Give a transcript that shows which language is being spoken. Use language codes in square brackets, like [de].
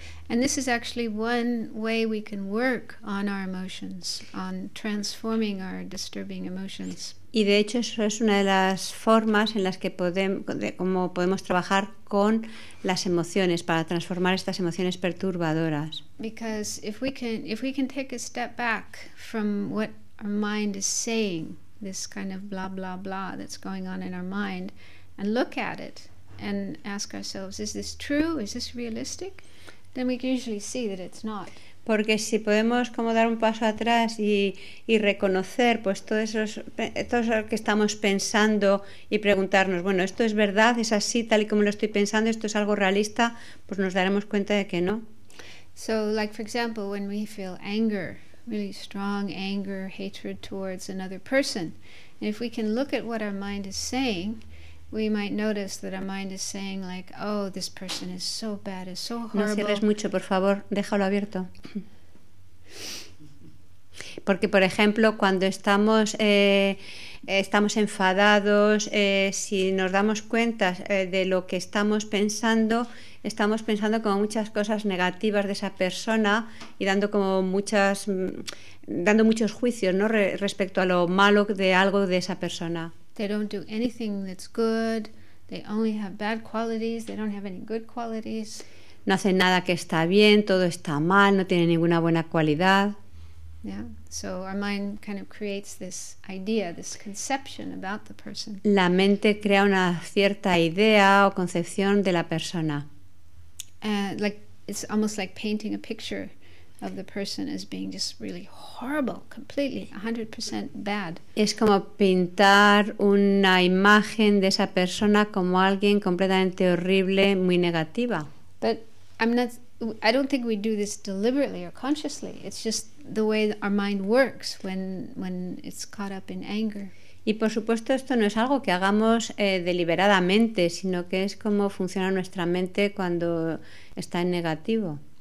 [en] And this is actually one way we can work on our emotions, on transforming our disturbing emotions. [es] Y de hecho eso es una de las formas en las que podemos trabajar con las emociones para transformar estas emociones perturbadoras. [en] Because if we can take a step back from what our mind is saying, this kind of blah blah blah that's going on in our mind, and look at it and ask ourselves, is this true? Is this realistic? Then we can usually see that it's not. [es] Porque si podemos como dar un paso atrás y reconocer pues todo eso que estamos pensando y preguntarnos, bueno, ¿esto es verdad? ¿Es así tal y como lo estoy pensando? ¿Esto es algo realista? Pues nos daremos cuenta de que no. [en] So, like for example, when we feel anger, really strong anger, hatred towards another person, and if we can look at what our mind is saying, we might notice that our mind is saying like, oh, this person is so bad, is so horrible. [es] No cierres mucho, por favor, déjalo abierto. Porque, por ejemplo, cuando estamos enfadados, si nos damos cuenta de lo que estamos pensando como muchas cosas negativas de esa persona y dando muchos juicios, ¿no?, respecto a lo malo de algo de esa persona. [en] They don't do anything that's good. They only have bad qualities. They don't have any good qualities. [es] No hacen nada que está bien. Todo está mal. No tienen ninguna buena cualidad. [en] Yeah. So our mind kind of creates this idea, this conception about the person. [es] La mente crea una cierta idea o concepción de la persona. [en] Like it's almost like painting a picture of the person as being just really horrible, completely, 100% bad. [es] Es como pintar una imagen de esa persona como alguien completamente horrible, muy negativa. [en] But I don't think we do this deliberately or consciously. It's just the way that our mind works when it's caught up in anger. [es] Y por supuesto esto no es algo que hagamos deliberadamente, sino que es como funciona nuestra mente cuando está en negativo.